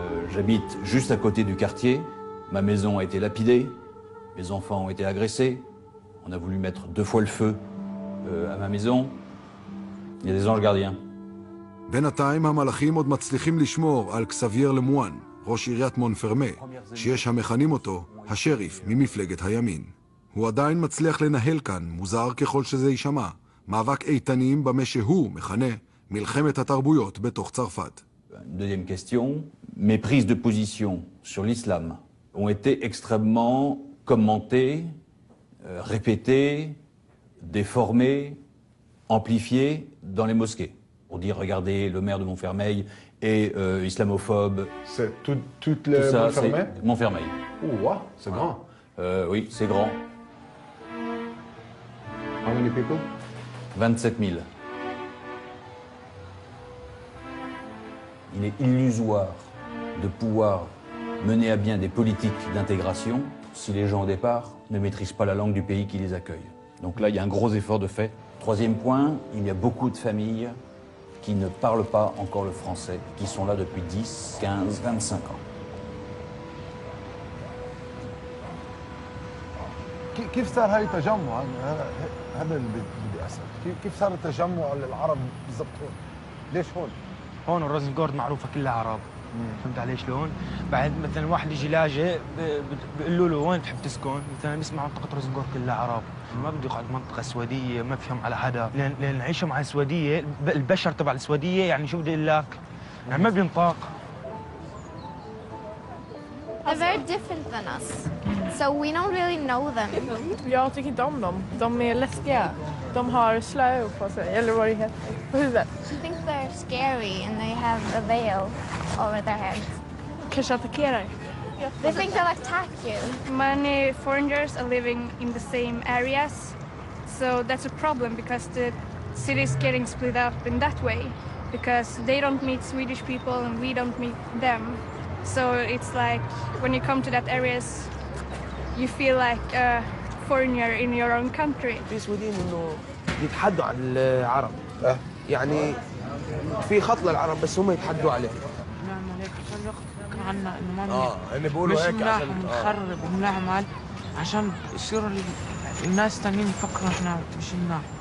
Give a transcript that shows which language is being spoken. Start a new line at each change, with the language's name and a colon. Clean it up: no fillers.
French: J'habite juste à côté du quartier. Ma maison a été lapidée. Mes enfants ont été agressés. On a voulu mettre deux fois le feu à ma maison. Il y a des anges gardiens.
Hebrew: בינתיים המלאכים עוד מצליחים לשמור על קסביר למואן, ראש עיריית מונפרמה, שיש המכנים אותו השריף ממפלגת הימין. הוא עדיין מצליח לנהל כאן, מוזר ככל שזה יישמע, מאבק איתנים במה שהוא מכנה מלחמת התרבויות בתוך צרפת.
French: Deuxième question, mes prises de position sur l'islam ont été extrêmement commentées, répétées, déformées, amplifiées dans les mosquées. Pour dire, regardez, le maire de Montfermeil est islamophobe. C'est tout, toutes les Montfermeil. Montfermeil. Ouah, wow, c'est grand. Oui, c'est grand.
English: How many people?
French: 27 000. Il est illusoire de pouvoir mener à bien des politiques d'intégration si les gens au départ ne maîtrisent pas la langue du pays qui les accueille. Donc là, il y a un gros effort de fait. Troisième point, il y a beaucoup de familles qui ne parlent pas encore le français, qui sont là depuis 10, 15, 25 ans.
Arabic: كيف صار هاي التجمع؟ هذا اللي بدي اسال، كيف صار التجمع للعرب بالضبط هون؟ ليش هون؟ هون الروزنجورد معروفة كلها عرب، فهمت علي شلون؟ بعد مثلا واحد يجي لاجئ بقول له وين تحب تسكن؟ مثلا بسمع منطقة روزنجورد كلها عرب، ما بدي اقعد منطقة سويدية ما بفهم على حدا، لأن عيشة مع السويدية البشر تبع السويدية يعني شو بدي أقول لك؟ يعني ما بينطاق.
English: They're very different than us, so we don't really know them.
Swedish: Jag tycker inte om dem. De är läskiga. De har slöv på sig, eller vad det heter, på huvudet.
English: She thinks they're scary and they have a veil over their heads.
Swedish: Kanske attackerar.
English: They think they'll attack you. Many foreigners are living in the same areas, so that's a problem because the city is getting split up in that way because they don't meet Swedish people and we don't meet them. So it's like when you come to that areas, you feel like a foreigner in your own country.
Arabic: في سويدين إنه يتحدوا على العرب. يعني في خط للعرب بس هم يتحدوا عليه. نعمل هيك عشان يخرج عنا إنه ما. هني بقولوا هيك عشان. منخرب ومنعمل عشان يصير الناس تانيين يفكروا إحنا مش لنا.